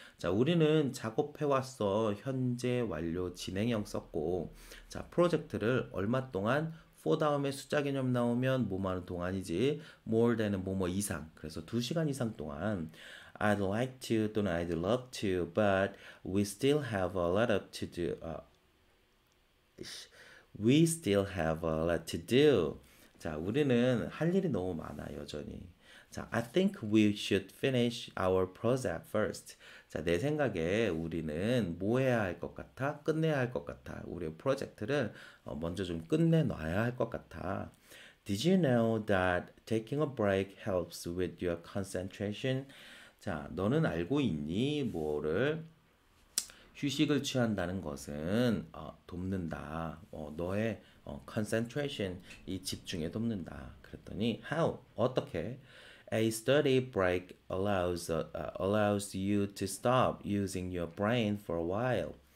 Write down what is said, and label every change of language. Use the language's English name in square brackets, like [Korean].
[Korean] 자, 우리는 작업해왔어. 현재 완료 진행형 썼고, 자, 프로젝트를 얼마 동안, for 다음에 숫자 개념 나오면 뭐 많은 동안이지, more than은 뭐뭐 이상. 그래서 2시간 이상 동안, [English] I'd like to 또는 I'd love to, but we still have a lot of to do. We still have a lot to do. [Korean] 자, 우리는 할 일이 너무 많아, 여전히. [English] 자, I think we should finish our project first. [Korean] 자, 내 생각에 우리는 뭐 해야 할것 같아? 끝내야 할것 같아. 우리의 프로젝트를 먼저 좀 끝내놔야 할것 같아. [English] Did you know that taking a break helps with your concentration? 자, [Korean] 너는 알고 있니? 뭐를? 휴식을 취한다는 것은 돕는다. 너의 concentration, 이 집중에 돕는다. 그랬더니 how? 어떻게? [English] A study break allows you to stop using your brain for a while.